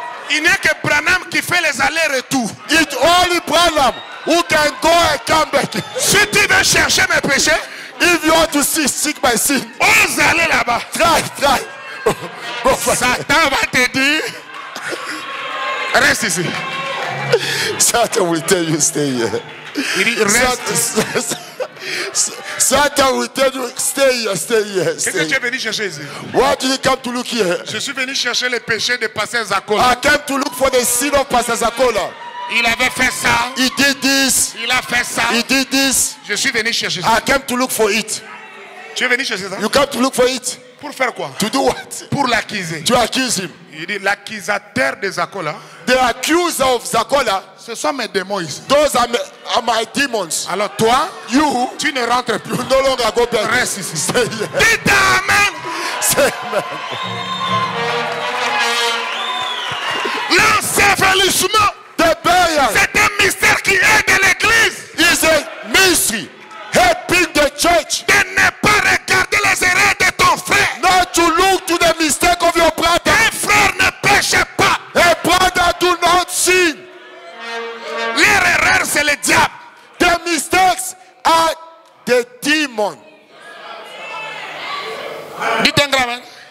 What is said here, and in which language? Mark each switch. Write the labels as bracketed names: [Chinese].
[French] Il n'y a que Branham qui fait les allers-retours. [English] It's only Branham who can go and come back. [French] Si tu veux chercher mes péchés, [English] if you want to seek my sin, [French] ose aller là-bas. [English] Try. [French] Satan va te dire, reste ici. [English] Satan will tell you stay here. [French] Il dit, reste. [English] Satan will tell you, stay here. Why did you come to look here? [French] Je suis venu chercher les péchés de Pasteur Zakola. [English] I came to look for the sin of Pasteur Zakola. [French] Il avait fait ça. [English] He did this. [French] Il a fait ça. [English] He did this. [French] Je suis venu chercher. [English] I came to look for it. [French] Tu es venu chercher ça? [English] You came to look for it. [French] Pour faire quoi? [English] To do what? [French] Pour l'accuser. [English] To accuse him. [French] Il dit l'accusateur de Zakola. [English] The accuser of Zakola. [French] Ce sont mes démons ici. [English] Those are my demons. [French] Alors toi, [English] you, [French] tu ne rentres plus. [English] No longer go back. [French] Reste ici. [English] Say yes. [French] Dites amen. [English] Amen. [French] L'ensevelissement. [English] The burial. [French] C'est un mystère qui aide l'église. [English] Is a mystery helping the church. [French] De ne pas regarder les erreurs de ton frère. [English] Not to look to the mistake of your brother. [French] Un frère ne pêche pas. [English] A brother do not sin. [French] Les erreurs, c'est le diable. [English] The mistakes are the demon. [French] Dites un grand amen.